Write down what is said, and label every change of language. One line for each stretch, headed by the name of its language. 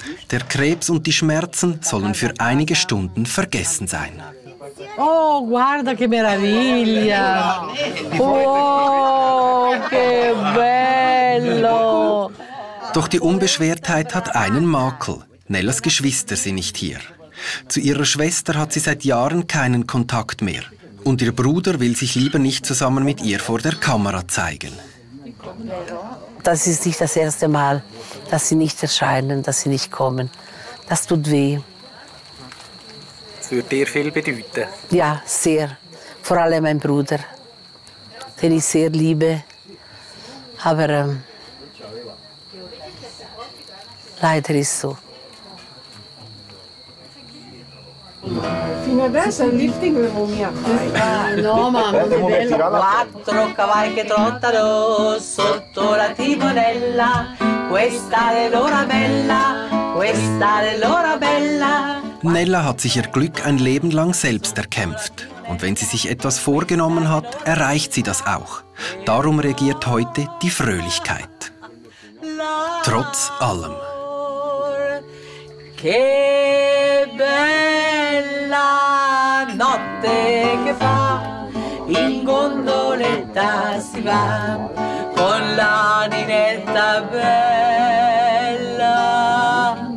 German: Der Krebs und die Schmerzen sollen für einige Stunden vergessen sein.
Italian: Oh, guarda che meraviglia! Oh, che bello!
German: Doch die Unbeschwertheit hat einen Makel. Nellas Geschwister sind nicht hier. Zu ihrer Schwester hat sie seit Jahren keinen Kontakt mehr. Und ihr Bruder will sich lieber nicht zusammen mit ihr vor der Kamera zeigen. Das ist nicht das erste Mal, dass sie nicht erscheinen, dass sie nicht kommen. Das tut weh. Das würde dir viel bedeuten. Ja, sehr. Vor allem mein Bruder, den ich sehr liebe. Aber leider ist es so.
Italian: Fino adesso è un lifting del mio amico. No, mamma, quattro cavalli che trottano sotto la timonella. Questa è l'ora bella, questa è l'ora bella.
German: Nella hat sich ihr Glück ein Leben lang selbst erkämpft. Und wenn sie sich etwas vorgenommen hat, erreicht sie das auch. Darum regiert heute die Fröhlichkeit. Trotz allem.
Italian: Che bella notte che fa, in gondoletta si va, con la ninetta bella.